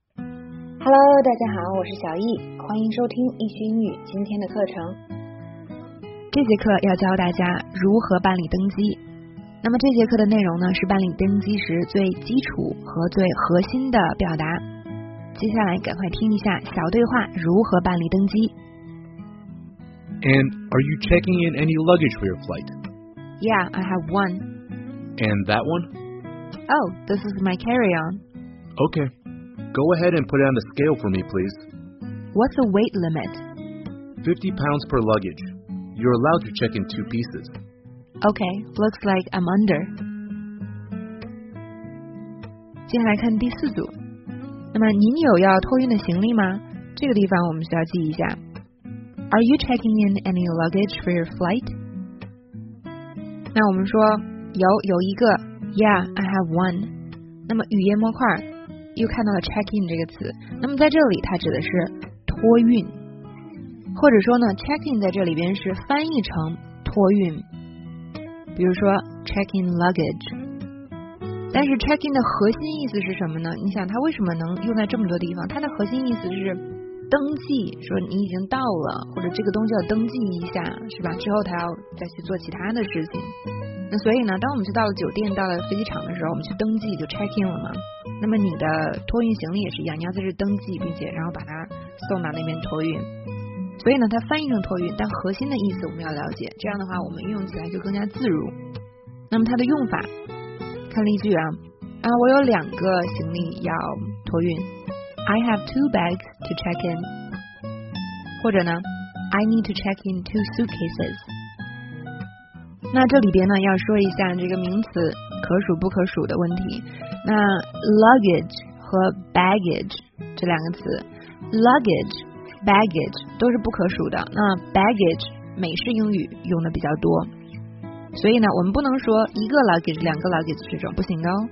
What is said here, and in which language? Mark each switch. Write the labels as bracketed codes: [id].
[zh] Hello， 大家好，我是小易，欢迎收听易学英语今天的课程。这节课要教大家如何办理登机。那么这节课的内容呢，是办理登机时最基础和最核心的表达。接下来赶快听一下小对话如何办理登机。 [en] And are you checking in any luggage for your flight? Yeah, I have one. And that one? Oh, this is my carry-on. Okay, go ahead and put it on the scale for me, please. What's the weight limit? 50 pounds per luggage. You're allowed to check in two pieces. Okay, looks like I'm under. [zh] 接下来看第四组。那么您有要托运的行李吗？这个地方我们需要记一下。 [en] Are you checking in any luggage for your flight? [zh] 那我们说有一个 [en] Yeah, I have one. [zh] 那么语言模块又看到了 check in 这个词，那么在这里它指的是托运，或者说呢 check in 在这里边是翻译成托运，比如说 check in luggage。但是 check in 的核心意思是什么呢？你想它为什么能用在这么多地方？它的核心意思是登记，说你已经到了，或者这个东西要登记一下，是吧？之后他要再去做其他的事情。那所以呢，当我们去到了酒店，到了飞机场的时候，我们去登记就 check in 了嘛。那么你的托运行李也是一样，你要在这登记，并且然后把它送到那边托运。所以呢，它翻译成托运，但核心的意思我们要了解，这样的话我们用起来就更加自如。那么它的用法，看例句啊，我有两个行李要托运。 [en] I have two bags to check in. [zh] 或者呢 [en] I need to check in two suitcases. [zh] 那这里边呢要说一下这个名词可数不可数的问题。那 luggage 和 baggage 这两个词 luggage, baggage 都是不可数的。那 baggage 美式英语用的比较多。所以呢我们不能说一个 luggage, 两个 luggage 这种不行的哦。